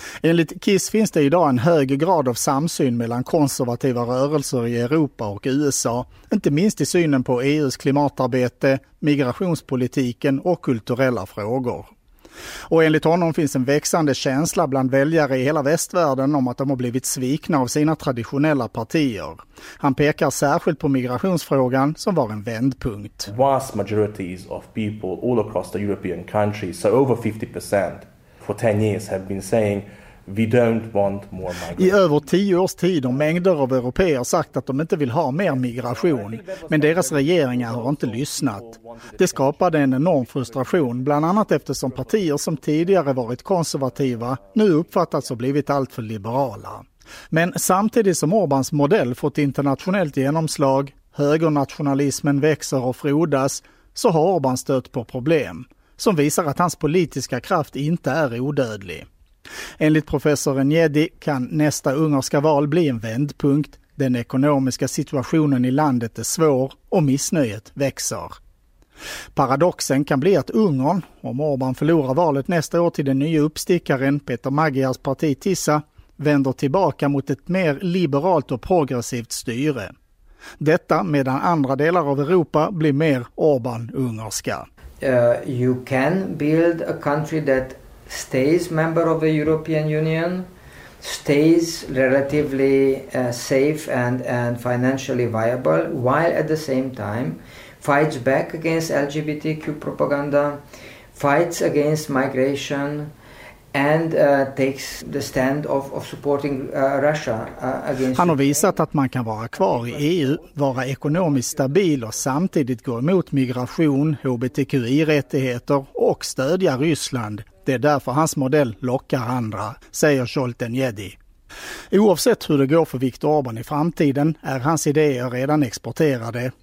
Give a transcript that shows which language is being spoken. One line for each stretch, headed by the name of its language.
Swedish: Enligt Kiss finns det idag en hög grad av samsyn mellan konservativa rörelser i Europa och USA, inte minst i synen på EUs klimatarbete, migrationspolitiken och kulturella frågor. Och enligt honom finns en växande känsla bland väljare i hela västvärlden om att de har blivit svikna av sina traditionella partier. Han pekar särskilt på migrationsfrågan som var en vändpunkt.
English: Vast majorities of people all across the European countries, so over 50% for 10 years have been saying we don't want more migration.
Swedish: I över 10 års tid har mängder av europeer sagt att de inte vill ha mer migration, men deras regeringar har inte lyssnat. Det skapade en enorm frustration, bland annat eftersom partier som tidigare varit konservativa nu uppfattats och blivit alltför liberala. Men samtidigt som Orbans modell fått internationellt genomslag, högernationalismen växer och frodas, så har Orbán stött på problem som visar att hans politiska kraft inte är odödlig. Enligt professor Enyedi kan nästa ungerska val bli en vändpunkt. Den ekonomiska situationen i landet är svår och missnöjet växer. Paradoxen kan bli att Ungern, om Orbán förlorar valet nästa år till den nya uppstickaren Peter Magyars parti Tisza, vänder tillbaka mot ett mer liberalt och progressivt styre. Detta medan andra delar av Europa blir mer Orbán-ungerska.
English: You can build a country that stays member of the European Union, stays relatively safe and financially viable, while at the same time fights back against LGBTQ propaganda, fights against migration and takes the stand of supporting Russia against.
Swedish: Han har visat att man kan vara kvar i EU, vara ekonomiskt stabil och samtidigt gå emot migration, HBTQI-rättigheter och stödja Ryssland. Det är därför hans modell lockar andra, säger Jolt Enyedi. Oavsett hur det går för Viktor Orbán i framtiden är hans idéer redan exporterade.